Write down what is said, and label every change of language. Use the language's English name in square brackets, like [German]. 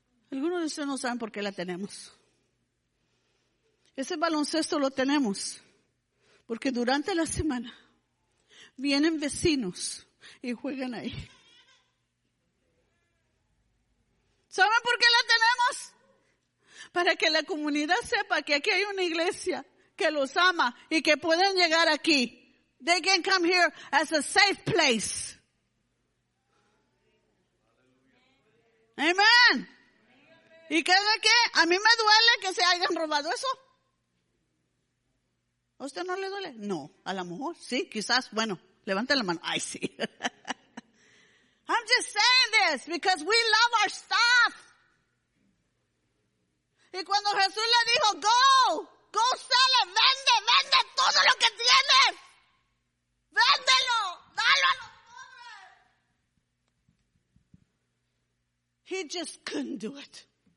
[Spanish] Algunos de ustedes no saben por qué la tenemos. Ese baloncesto lo tenemos porque durante la semana vienen vecinos y juegan ahí. ¿Saben por qué la tenemos? Para que la comunidad sepa que aquí hay una iglesia que los ama y que pueden llegar aquí. [English] They can come here as a safe place. [Spanish] Amen. ¿Y qué de qué? A mí me duele que se hayan robado eso. ¿A usted no le duele? No, a lo mejor sí, quizás, bueno, levante la mano. Ay, sí. [English] I'm just saying this because we love our stuff. [Spanish] Y cuando Jesús le dijo, [English] go, go, [Spanish] sale, vende, vende todo lo que tienes. Véndelo, dalo a los pobres. [English] He just couldn't do it.